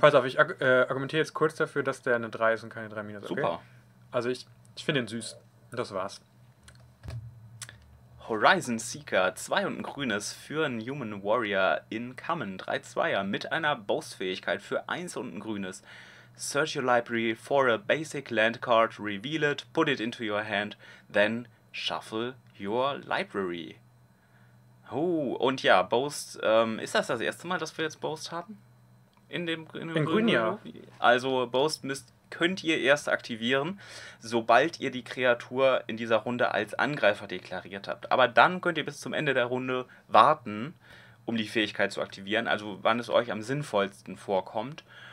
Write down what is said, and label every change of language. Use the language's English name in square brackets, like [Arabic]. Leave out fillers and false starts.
[German] Pass auf, ich argumentiere jetzt kurz dafür, dass der eine 3 ist und keine 3 minus. Okay? Super. Also ich finde ihn süß. Das war's. Horizon Seeker, 2 und ein grünes für einen Human Warrior in Common, 3-2er mit einer Boss-Fähigkeit für 1 und ein grünes. [English] Search your library for a basic land card, reveal it, put it into your hand, then shuffle your library. [German] Oh, und ja, Boast, ist das erste Mal, dass wir jetzt Boast haben? In dem grünen, ja. Also Boast könnt ihr erst aktivieren, sobald ihr die Kreatur in dieser Runde als Angreifer deklariert habt. Aber dann könnt ihr bis zum Ende der Runde warten, um die Fähigkeit zu aktivieren, also wann es euch am sinnvollsten vorkommt.